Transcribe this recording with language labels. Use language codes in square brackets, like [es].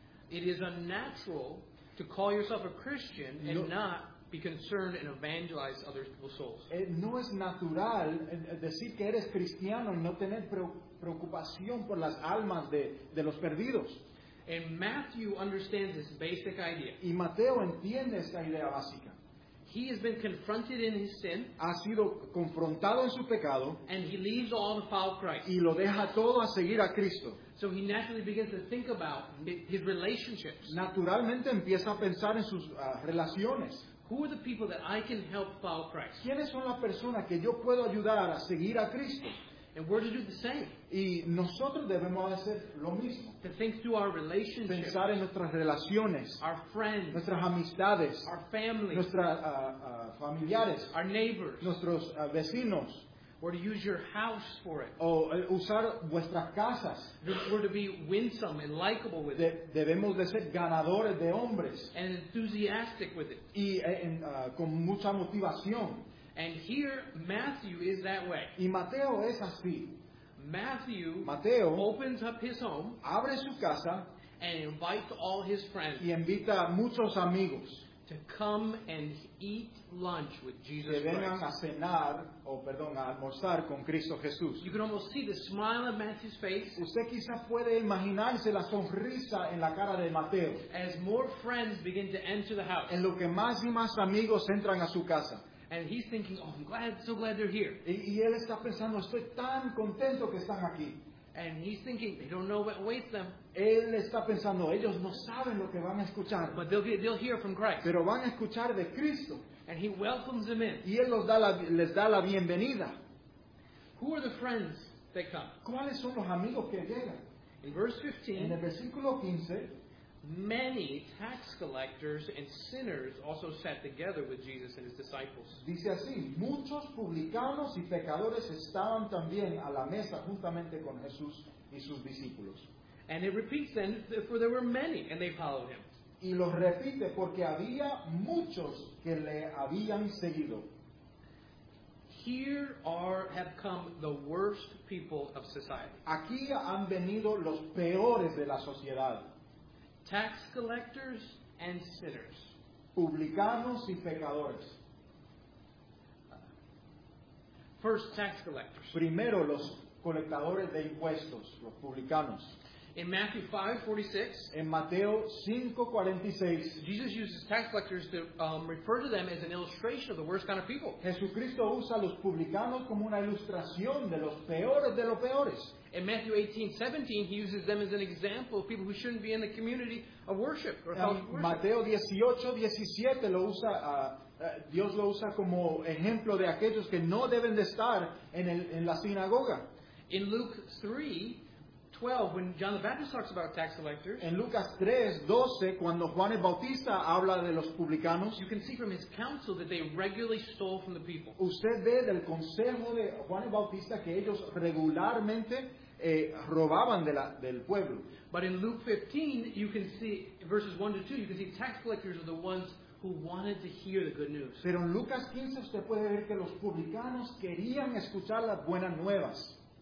[en] It is unnatural to call yourself a Christian and not be concerned and evangelize other people's souls. [es] No es natural decir que eres cristiano y no tener preocupación por las almas de los perdidos. [en] And Matthew understands this basic idea. [es] Y Mateo entiende esta idea básica. [en] He has been confronted in his sin. [es] Ha sido confrontado en su pecado. [en] And he leaves all to follow Christ. [es] Y lo deja todo a seguir a Cristo. [en] So he naturally begins to think about his relationships. [es] Naturalmente empieza a pensar en sus relaciones. [en] Who are the people that I can help follow Christ? [es] ¿Quiénes son las personas que yo puedo ayudar a seguir a Cristo? [en] And we're to do the same. [es] Y nosotros debemos hacer lo mismo. [en] To think through our relationships. [es] Pensar en nuestras relaciones. [en] Our friends. [es] Nuestras amistades. [en] Our family. [es] Nuestras familiares. [en] Our neighbors. [es] Nuestros vecinos. [en] Or to use your house for it. [es] O usar vuestras casas. [en] We're to be winsome and likable with it. [es] Debemos de ser ganadores de hombres. [en] And enthusiastic with it. [es] Y con mucha motivación. [en] And here, Matthew is that way. [es] Y Mateo es así. [en] Matthew opens up his home. [es] Abre su casa. [en] And invites all his friends. [es] Y invita a muchos amigos. [en] To come and eat lunch with Jesus Christ. [es] Que vengan a cenar, a almorzar con Cristo Jesús. [en] You can almost see the smile on Matthew's face. [es] Usted quizás puede imaginarse la sonrisa en la cara de Mateo. [en] As more friends begin to enter the house. [es] En lo que más y más amigos entran a su casa. [en] And he's thinking, oh, I'm glad, so glad they're here. [es] Y él está pensando, estoy tan contento que están aquí. [en] And he's thinking, they don't know what awaits them. [es] Él está pensando, ellos no saben lo que van a escuchar. [en] But they'll hear from Christ. [es] Pero van a escuchar de Cristo. [en] And he welcomes them in. [es] Y él les da la bienvenida. [en] Who are the friends that come? [es] ¿Cuáles son los amigos que llegan? [en] In verse 15, many tax collectors and sinners also sat together with Jesus and his disciples. [es] Dice así, muchos publicanos y pecadores estaban también a la mesa juntamente con Jesús y sus discípulos. [en] And it repeats then, for there were many and they followed him. [es] Y lo repite porque había muchos que le habían seguido. [en] Here have come the worst people of society. [es] Aquí han venido los peores de la sociedad. [en] Tax collectors and sinners. [es] Publicanos y pecadores. [en] First, tax collectors. [es] Primero, los colectadores de impuestos, los publicanos. [en] In Matthew 5:46. [es] En Mateo 5:46. [en] Jesus uses tax collectors to refer to them as an illustration of the worst kind of people. [es] Jesucristo usa los publicanos como una ilustración de los peores de los peores. [en] In Matthew 18:17, he uses them as an example of people who shouldn't be in the community of worship or fellowship. [es] Mateo 18:17 lo usa, Dios lo usa como ejemplo de aquellos que no deben de estar en la sinagoga. [en] In Luke 3:12, when John the Baptist talks about tax collectors, [es] en Lucas 3:12, cuando Juan el Bautista habla de los publicanos, [en] you can see from his counsel that they regularly stole from the people. [es] Usted ve del consejo de Juan el Bautista que ellos regularmente robaban del pueblo. [en] But in Luke 15, you can see verses 1-2, you can see tax collectors are the ones who wanted to hear the good news. [es] Pero en Lucas 15 usted puede ver que los publicanos querían escuchar las buenas nuevas.